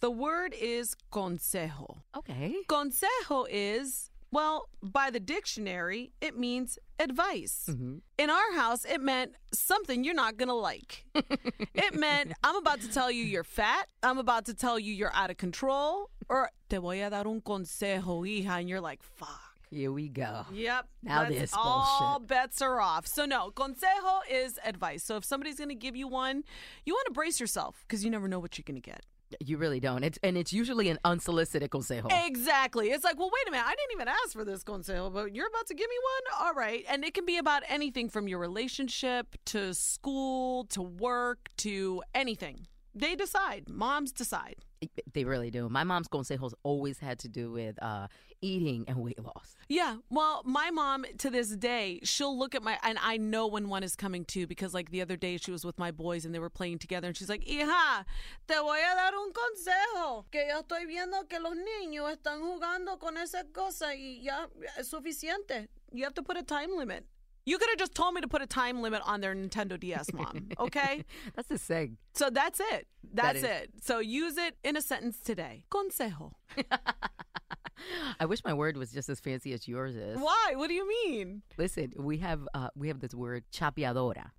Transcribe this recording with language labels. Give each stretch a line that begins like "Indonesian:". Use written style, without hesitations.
English: The word is consejo. Okay. Consejo is, well, by the dictionary, it means advice. Mm-hmm. In our house, it meant something you're not going to like. It meant, I'm about to tell you you're fat. I'm about to tell you you're out of control.
Spanish: Or, te voy a dar un consejo, hija.
English: And you're like, fuck. Here we go. Yep. Now this bullshit. All bets are off. So no, consejo is advice. So if somebody's going to give you one, you want to brace yourself because you never know what you're going to get. You really don't. It's usually an unsolicited consejo. Exactly. It's like, well, wait a minute. I didn't even ask for this consejo, but you're about to give me one? All right. And it can be about anything from your relationship to school to work to anything. They decide. Moms decide. They really do. My mom's consejos always had to do with eating and weight loss. Yeah. Well, my mom, to this day, she'll look at my, and I know when one is coming too, because like the other day she was with my boys and they were playing together and she's like,
Spanish: hija, te voy a dar un consejo. Que yo estoy viendo que los niños están jugando con esa cosa y ya es suficiente.
English: You have to put a time limit. You could have just told me to put a time limit on their Nintendo DS, mom. Okay? That's a saying. So that's it. That's it. So use it in a sentence today. Consejo. I wish my word was just as fancy as yours is. Why? What do you mean? Listen, we have this word, chapeadora.